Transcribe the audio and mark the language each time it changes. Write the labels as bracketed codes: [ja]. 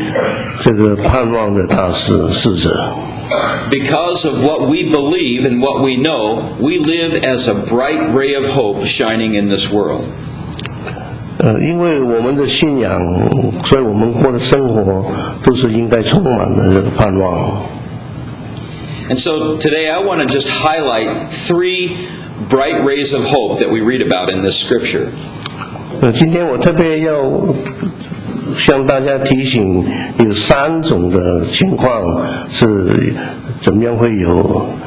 [zh] 我们作为神的儿女，我们要作为这个盼望的大使者。 [en] Because of what we believe and what we know, we live as a bright ray of hope shining in this world. [zh] 因为我们的信仰，所以我们过的生活都是应该充满了这个盼望。 [en] And so today I want to just highlight three bright rays of hope that we read about in this scripture. [zh] 今天我特别要 向大家提醒有三种的情况是怎么样会有